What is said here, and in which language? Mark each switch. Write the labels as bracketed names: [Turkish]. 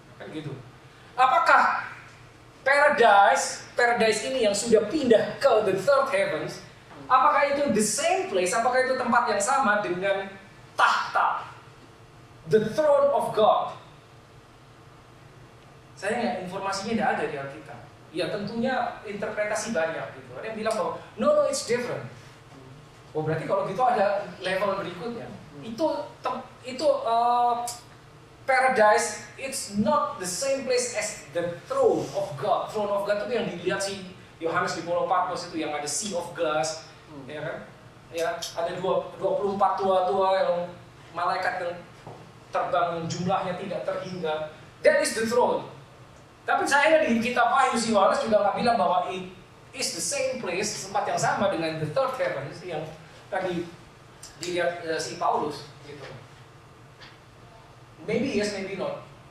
[Indonesian] Kan gitu. Apakah paradise ini yang sudah pindah ke [English] the third heavens, [Indonesian] apakah itu [English] the same place, [Indonesian] apakah itu tempat yang sama dengan tahta, [English] the throne of God? [Indonesian] Sayangnya informasinya tidak ada di Alkitab. Ya tentunya interpretasi banyak gitu. Ada yang bilang bahwa [English] no, it's different. [Indonesian] Oh berarti kalau gitu ada level berikutnya. Itu [English] paradise, it's not the same place as the throne of God. [Indonesian] Throne of God itu yang dilihat si Yohanes di Pulau Patmos itu yang ada [English] sea of glass. [Indonesian] Ya kan? Ya, ada 24 tua-tua yang malaikat yang terbang jumlahnya tidak terhingga. [English] That is the throne. [Indonesian] Tapi sayangnya di kitab Wahyu si Yohanes juga enggak bilang bahwa [English] it is the same place, [Indonesian] tempat yang sama dengan [English] the third heaven [Indonesian] yang tadi dilihat si Paulus gitu. [English] Maybe yes, maybe not.